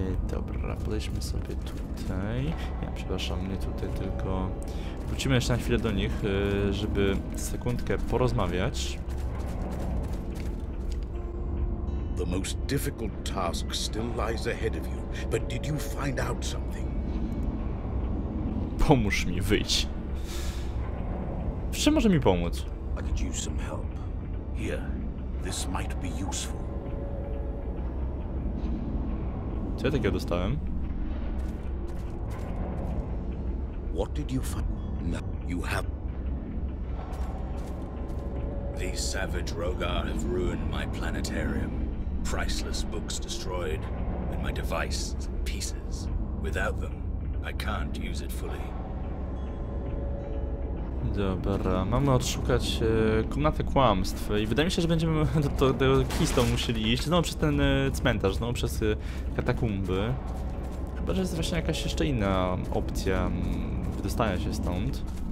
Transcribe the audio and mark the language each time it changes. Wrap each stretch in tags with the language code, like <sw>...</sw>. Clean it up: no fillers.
<pl>Dobra, podejdźmy sobie tutaj. Ja przepraszam, nie tutaj, tylko wrócimy jeszcze na chwilę do nich, żeby sekundkę porozmawiać.</pl> <en>The most difficult task still lies ahead of you, but did you find out something?</en> <pl>Pomóż mi wyjść. W czym może mi pomóc?</pl> <en>I could use some help. Here, this might be useful.</en> <pl>Co ja takiego dostałem?</pl> <en>What did you find? No, you have. These savage Rogar have ruined my planetarium. Priceless books destroyed, and my device in pieces. Without them, I can't use it fully.</en> <pl>Dobra, mamy odszukać komnatę kłamstw i wydaje mi się, że będziemy do Keystone musieli iść znowu przez ten cmentarz, znowu przez katakumby. Chyba, że jest właśnie jakaś jeszcze inna opcja wydostania się stąd.</pl>